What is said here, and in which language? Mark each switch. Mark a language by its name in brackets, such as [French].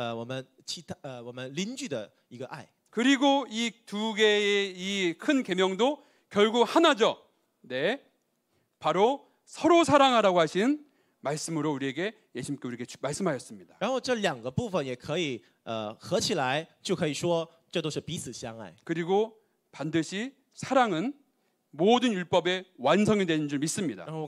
[Chinese] 第一条到第四条是针对神的义务，还有第五条到第十条是针对我们邻居的一个爱。 [Korean] 그리고 이 두 개의 이 큰 계명도 결국 하나죠. 네, 바로 서로 사랑하라고 하신 말씀으로 우리에게 예수님께 우리에게 말씀하셨습니다. [Chinese] 然后这两个部分也可以合起来就可以说这都是彼此相爱。 [Korean] 그리고 반드시 사랑은 모든 율법의 완성이 되는 줄 믿습니다.